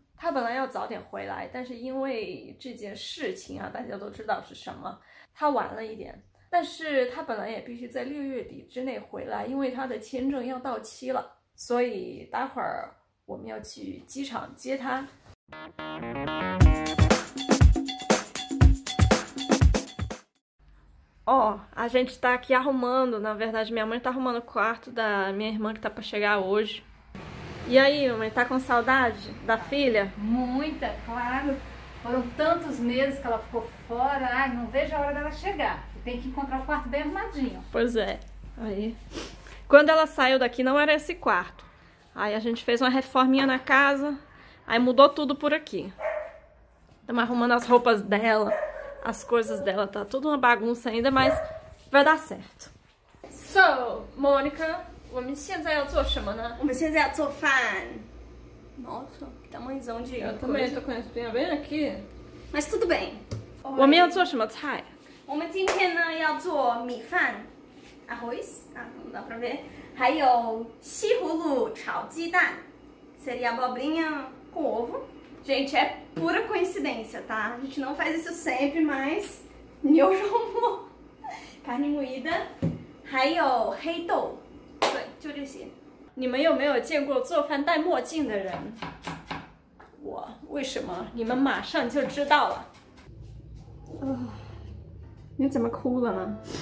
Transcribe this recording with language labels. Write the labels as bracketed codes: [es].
[zh] 他本来要早点回来，但是因为这件事情啊，大家都知道是什么，他晚了一点。但是他本来也必须在6月底之内回来，因为他的签证要到期了。所以待会儿我们要去机场接他。 [pt] 哦，a gente está aqui arrumando. Na verdade, minha mãe está arrumando o quarto da minha irmã que está para chegar hoje. E aí, mãe, tá com saudade da filha? Muita, claro. Foram tantos meses que ela ficou fora. Ai, não vejo a hora dela chegar. Tem que encontrar o quarto bem arrumadinho. Pois é. Aí, quando ela saiu daqui, não era esse quarto. Aí a gente fez uma reforminha na casa. Aí mudou tudo por aqui. Estamos arrumando as roupas dela, as coisas dela. Tá tudo uma bagunça ainda, mas vai dar certo. So, Mônica, vamos fazer o que agora? [zh] 我们现在要做饭。 [pt] Nossa, que tamanhozão de Eu também coisa. estou com a espinha bem aqui. Mas tudo bem. O meu é o Tsai. [zh] 我们今天呢要做米饭、arroz 啊，咋不着？还有西葫芦炒鸡蛋， [pt] seria abobrinha com ovo。 Gente, é pura coincidência, tá? A gente não faz isso sempre, mas eu já amo carne moída. [zh] 还有黑豆。对，就这些。你们有没有见过做饭戴墨镜的人？我为什么？你们马上就知道了。你怎么哭了呢？